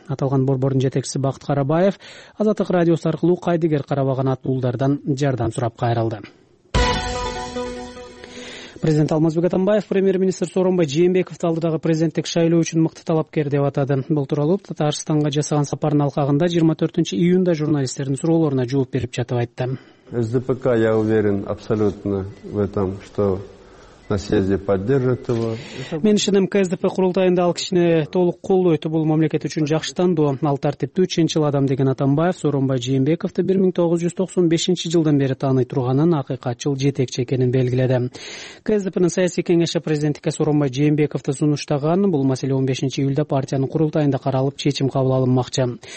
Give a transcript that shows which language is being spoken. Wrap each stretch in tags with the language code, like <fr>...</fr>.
<ky>Аталган борбордун жетекчиси Бакыт Карабаев Азаттык радиосу аркылуу кайдыгер карабаган атуулдардан жардам сурап кайрылды. Президент Алмазбек Атамбаев премьер-министр Сооронбай Жээнбековду алдыдагы президенттик шайлоо үчүн мыкты талапкер деп атады. Бул тууралуу Татарстанга жасаган сапарынын алкагында 24 июнда журналисттердин суроолоруна жооп берип жатып айтты.</ky> <ru>СДПК, я уверен абсолютно в этом, что на съезде поддержит его.</ru> <ky>Мен ишенем, КСДП курултайында ал кишини толук колдойт. Бул мамлекет үчүн жакшы тандоо. Ал тартиптүү, чынчыл адам, деген Атамбаев Сооронбай Жээнбековду 1995 жылдан бери тааный турганын, акыйкатчыл жетекчи экенин белгиледи. КСДПнын саясий кеңеши президентке Сооронбай Жээнбековду сунуштаган. Бул маселе 15 июлда партиянын курултайында каралып, чечим кабыл алынмакчы.</ky>